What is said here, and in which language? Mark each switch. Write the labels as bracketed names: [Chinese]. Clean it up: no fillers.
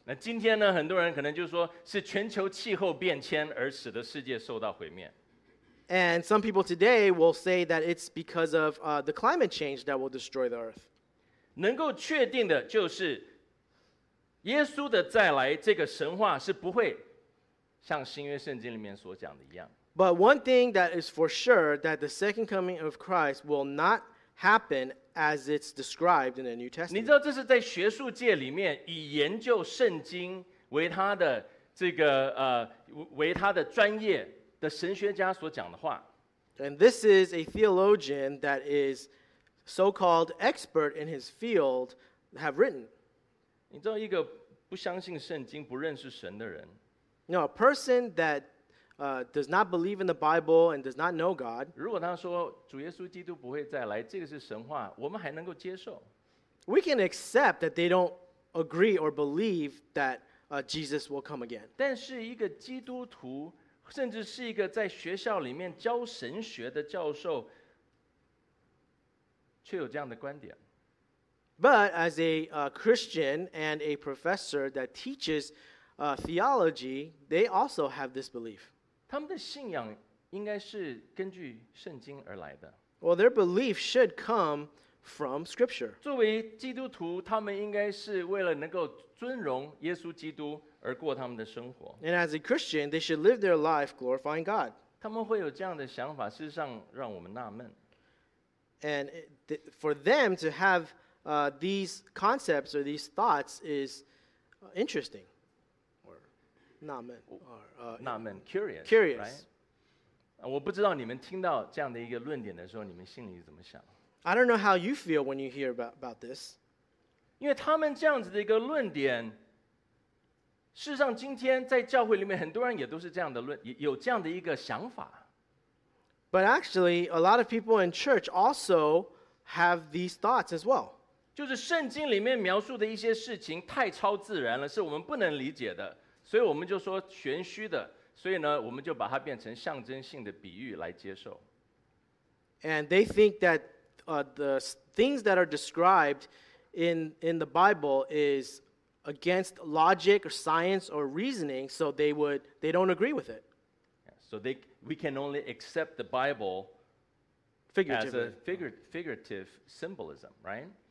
[Chinese] 那今天呢，很多人可能就说是全球气候变迁而使得世界受到毁灭。 [English] And some people today will say that it's because of the climate change that will destroy the earth. [Chinese] 能够确定的就是耶稣的再来这个神话是不会像新约圣经里面所讲的一样。 [English] But one thing that is for sure that the second coming of Christ will not happen as it's described in the New Testament. [Chinese] 你知道这是在学术界里面以研究圣经为他的这个为他的专业的神学家所讲的话。 [English] And this is a theologian that isso-called expert in his field have written. [Chinese] 你知道一个不相信圣经不认识神的人。 [English] No, a person that does not believe in the Bible and does not know God. [Chinese] 如果他说主耶稣基督不会再来，这个是神话，我们还能够接受。 [English] We can accept that they don't agree or believe that Jesus will come again. [Chinese] 但是一个基督徒，甚至是一个在学校里面教神学的教授，却有这样的观点。 [English] But as a Christian and a professor that teaches theology, they also have this belief. [Chinese] 他们的信仰应该是根据圣经而来的。 [English] Well, their belief should come from Scripture. [Chinese] 作为基督徒，他们应该是为了能够尊荣耶稣基督而过他们的生活。 [English] And as a Christian, they should live their life glorifying God. [Chinese] 他们会有这样的想法，事实上让我们纳闷。 [English] And for them to have these concepts or these thoughts is interesting. Or not curious. Curious. Right? [Chinese] 我不知道你们听到这样的一个论点的时候，你们心里怎么想。 [English] I don't know how you feel when you hear about this. [Chinese] 因为他们这样子的一个论点，事实上今天在教会里面很多人也都是这样的论，有这样的一个想法。 [English] But actually, a lot of people in church also have these thoughts as well. [Chinese] 就是圣经里面描述的一些事情太超自然了，是我们不能理解的，所以我们就说玄虚的，所以呢，我们就把它变成象征性的比喻来接受。 [English] And they think that the things that are described in the Bible is against logic or science or reasoning, so they don't agree with it. So we can only accept the Bible as a figurative symbolism, right?